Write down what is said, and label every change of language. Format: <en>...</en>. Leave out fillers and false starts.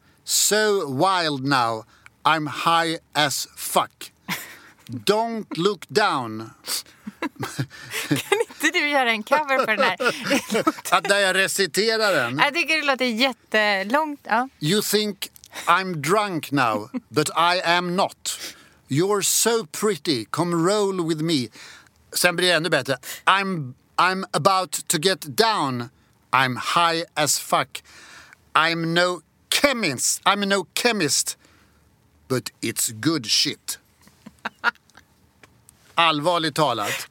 <en>So wild now, I'm high as fuck. Don't look down.</en> <sv>Kan inte du göra en cover för den här? Att där jag reciterar den. Jag tycker det låter jättelångt. Ja.</sv> <en>You think I'm drunk now, but I am not. You're so pretty, come roll with me.</en> <sv>Sen blir det ännu bättre.</sv> <en>I'm about to get down. I'm high as fuck. I'm no chemist. But it's good shit.</en> <sv>Allvarligt talat.</sv>